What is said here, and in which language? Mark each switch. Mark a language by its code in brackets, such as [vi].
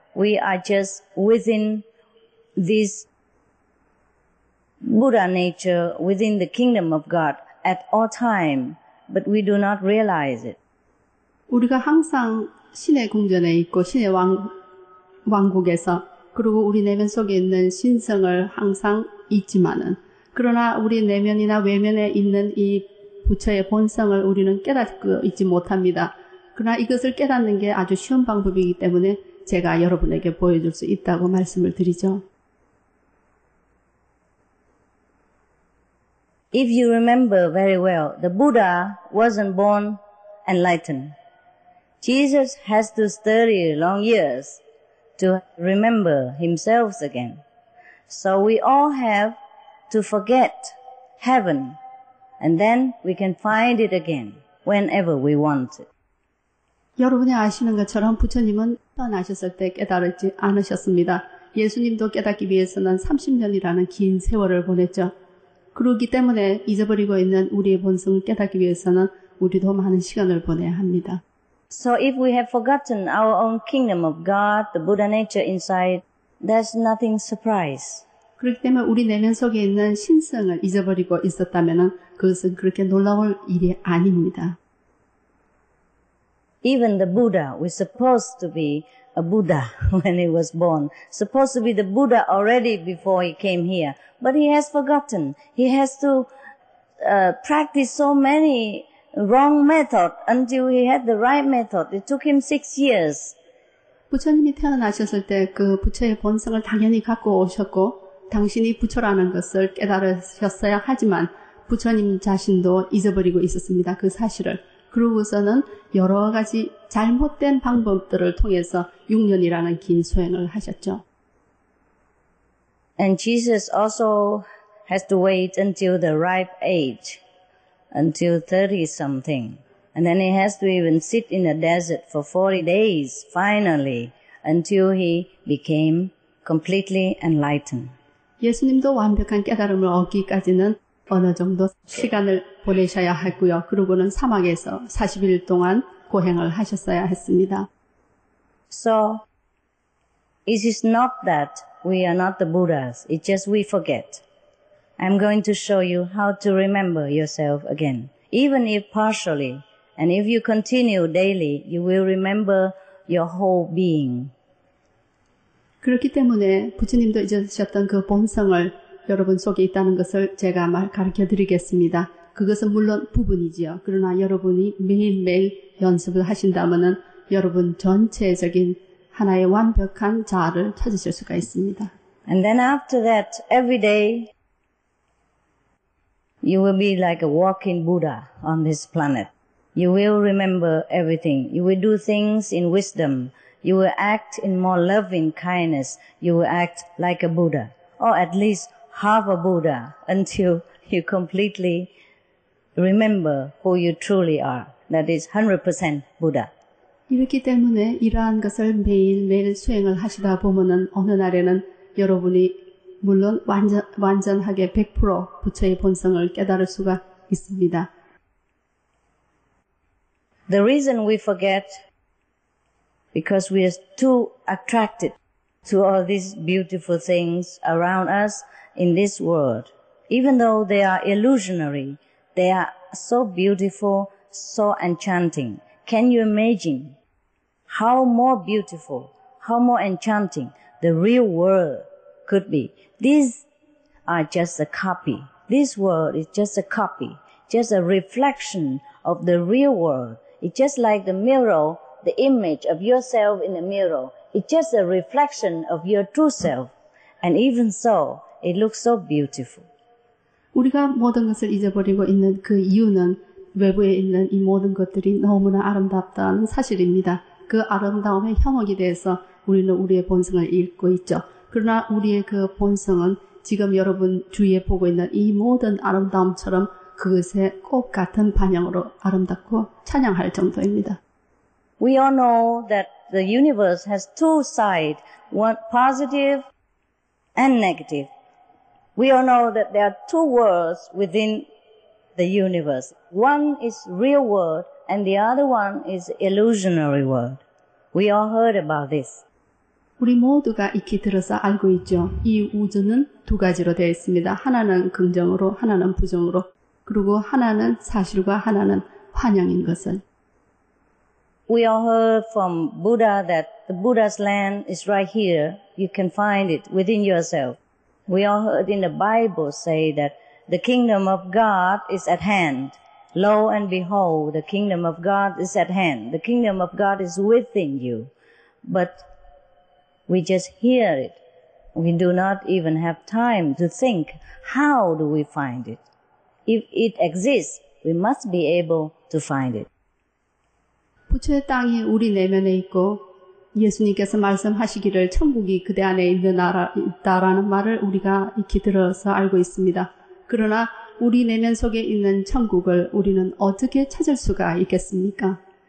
[en] We are just within this Buddha nature, within the kingdom of God at all time, but we do not realize it. [ko] 우리가 항상 신의 궁전에 있고 신의 왕국에서 그리고 우리 내면 속에 있는 신성을 항상 있지만은 그러나 우리 내면이나 외면에 있는 이 부처의 본성을 우리는 깨닫고 있지 못합니다. 그러나 이것을 깨닫는 게 아주 쉬운 방법이기 때문에 제가 여러분에게 보여줄 수 있다고 말씀을 드리죠. [en] If you remember very well, the Buddha wasn't born enlightened. Jesus has to study long years to remember himself again. So we all have to forget heaven, and then we can find it again whenever we want it. [ko] 여러분이 아시는 것처럼 부처님은 떠나셨을 때 깨달았지 않으셨습니다. 예수님도 깨닫기 위해서는 30년이라는 긴 세월을 보냈죠. 그렇기 때문에 잊어버리고 있는 우리의 본성을 깨닫기 위해서는 우리도 많은 시간을 보내야 합니다. [en] So if we have forgotten our own kingdom of God, the Buddha nature inside, there's nothing surprise. [ko] 그렇기 때문에 우리 내면 속에 있는 신성을 잊어버리고 있었다면 그것은 그렇게 놀라울 일이 아닙니다. [en] Even the Buddha was supposed to be a Buddha when he was born. Supposed to be the Buddha already before he came here. But he has forgotten. He has to practice so many wrong methods until he had the right method. It took him 6 years. [ko] 부처님이 태어나셨을 때 그 부처의 본성을 당연히 갖고 오셨고 당신이 부처라는 것을 깨달으셨어야 하지만 부처님 자신도 잊어버리고 있었습니다. 그 사실을. 그러고서는 여러 가지 잘못된 방법들을 통해서 6년이라는 긴 수행을 하셨죠. [en] And Jesus also has to wait until the ripe age, until 30-something. And then he has to even sit in a desert for 40 days, finally, until he became completely enlightened. [ko] 예수님도 완벽한 깨달음을 얻기까지는 어느 정도 시간을 보내셔야 했고요. 그러고는 사막에서 40일 동안 고행을 하셨어야 했습니다. [en] So, it is not that we are not the Buddhas. It's just we forget. I'm going to show you how to remember yourself again. Even if partially, and if you continue daily, you will remember your whole being. [ko] 그렇기 때문에 부처님도 잊으셨던 그 본성을 여러분 속에 있다는 것을 제가 가르쳐드리겠습니다. 그것은 물론 부분이지요. 그러나 여러분이 매일매일 연습을 하신다면은 여러분 전체적인 하나의 완벽한 자아를 찾으실 수가 있습니다. [en] And then after that, every day, you will be like a walking Buddha on this planet. You will remember everything. You will do things in wisdom. You will act in more loving kindness. You will act like a Buddha. Or at least half a Buddha until you completely remember who you truly are. That is 100% Buddha. [ko] 이렇기 때문에 이러한 것을 매일매일 수행을 하시다 보면은 어느 날에는 여러분이 물론 완전하게 100% 부처의 본성을 깨달을 수가 있습니다. [en] The reason we forget because we are too attracted to all these beautiful things around us in this world. Even though they are illusionary, they are so beautiful, so enchanting. Can you imagine how more beautiful, how more enchanting the real world could be? These are just a copy. This world is just a copy, just a reflection of the real world. It's just like the mirror, the image of yourself in the mirror. It's just a reflection of your true self. And even so, it looks so beautiful. [ko] 우리가 모든 것을 잊어버리고 있는 그 이유는 외부에 있는 이 모든 것들이 너무나 아름답다는 사실입니다. 그 아름다움의 현혹에 대해서 우리는 우리의 본성을 잃고 있죠. 그러나 우리의 그 본성은 지금 여러분 주위에 보고 있는 이 모든 아름다움처럼 그것의 꽃 같은 반향으로 아름답고 찬양할 정도입니다. [en] We all know that the universe has two sides, one positive and negative. We all know that there are two worlds within the universe. One is real world and the other one is illusionary world. We all heard about this. [ko] 우리 모두가 익히 들어서 알고 있죠. 이 우주는 두 가지로 되어 있습니다. 하나는 긍정으로, 하나는 부정으로. 그리고 하나는 사실과 하나는 환영인 것은. [en] We all heard from Buddha that the Buddha's land is right here. You can find it within yourself. We all heard in the Bible say that the kingdom of God is at hand. Lo and behold, the kingdom of God is at hand. The kingdom of God is within you. But we just hear it. We do not even have time to think, how do we find it? If it exists, we must be able to find it. [ko] 부처의 땅이 우리 내면에 있고 예수님께서 말씀하시기를 천국이 그대 안에 있는 나라 있다라는 말을 우리가 익히 들어서 알고 있습니다. 그러나 우리 내면 속에 있는 천국을 우리는 어떻게 찾을 수가 있겠습니까?